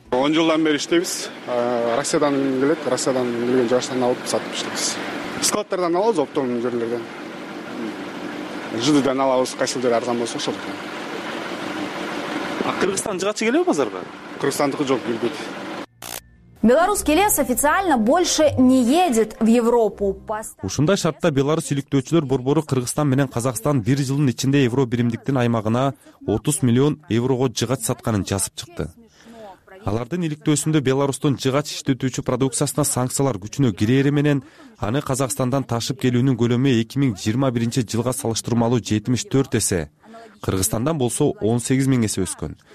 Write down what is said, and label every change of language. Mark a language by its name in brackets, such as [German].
[Kyrgyz] 10 жылдан бери иштейбиз. Россиядан келет, Россиядан келген жыгачтан алып сатып иштейбиз. Складтардан алабыз, оптом жерлерден. Жыгачтан алабыз, кайсыл жер арзан болсо ошол. Кыргызстан жыгачы келеби базарга? Кыргызстандыкы жок, билбейт. [Russian] Беларусь келес официально больше не едет в Европу. [Kyrgyz] Ушундай шартта Беларусь иликтөөчүлөр борбору Кыргызстан менен Казакстан бир жылдын ичинде Евро биримдиктин аймагына 30 миллион еврого жыгач сатканын жазып чыкты. Алардын иликтөөсүндө Беларусьтун жыгач иштетүүчү продукциясына санкциялар күчүнө кирери менен аны Казакстандан ташып келүүнүн көлөмү 2021 жылга салыштырмалуу 74 эсе, Кыргызстандан болсо 18 миң эсе өскөн.